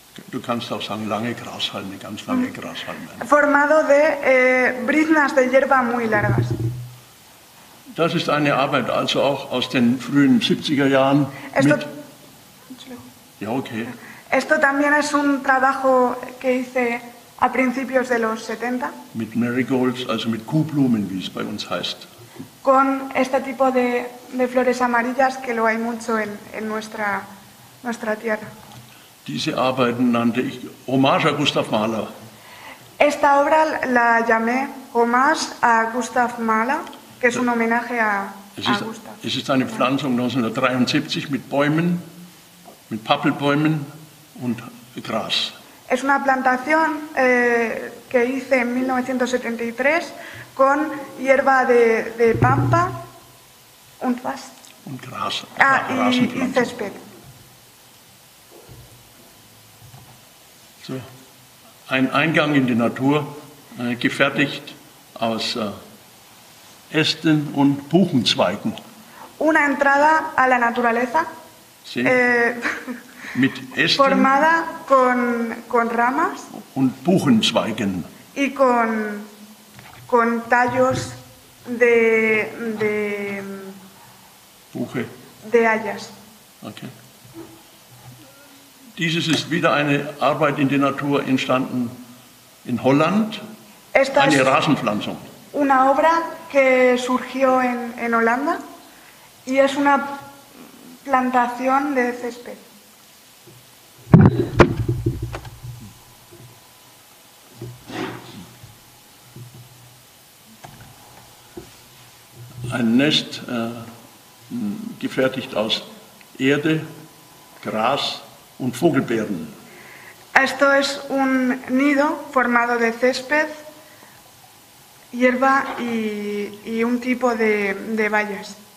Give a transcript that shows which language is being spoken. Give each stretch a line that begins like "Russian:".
German: Du kannst auch sagen lange Grashalme, ganz lange Grashalme.
Spanish: Formado de briznas de hierba muy largas.
German: Das ist eine Arbeit also auch aus den frühen 70er Jahren. Mit ja, okay.
Spanish: Esto también es un trabajo que hice a principios de los 70.
German: Mit marigolds, also mit Kuhblumen, wie es bei uns heißt.
Spanish: Con este tipo de flores amarillas que lo hay mucho en nuestra tierra.
German: Diese Arbeiten nannte ich Hommage a Gustav Mahler.
Spanish: Esta obra la llamé Hommage a Gustav Mahler, que es un homenaje a Gustav.
German: Es ist eine Pflanzung 1973 mit Bäumen, mit Pappelbäumen und Gras.
Spanish: Es una plantación que hice en 1973 con hierba de pampa
German: und was? Und Gras.
Spanish: Y césped.
German: So, ein Eingang in die Natur, gefertigt aus Ästen und Buchenzweigen.
Spanish: Una entrada a la naturaleza. Sí.
German: Mit Ästen
Spanish: formada con ramas
German: und Buchenzweigen.
Spanish: Y con tallos de
German: Buche.
Spanish: De hayas. Okay.
German: Dieses ist wieder eine Arbeit in der Natur entstanden in Holland.
Spanish: Esta
German: eine Rasenpflanzung.
Spanish: Una obra que surgió en Holanda y es una plantación de césped.
German: Ein Nest gefertigt aus Erde, Gras und Vogelbeeren.
Spanish: Esto es un nido formado de césped, hierba y un tipo de bayas.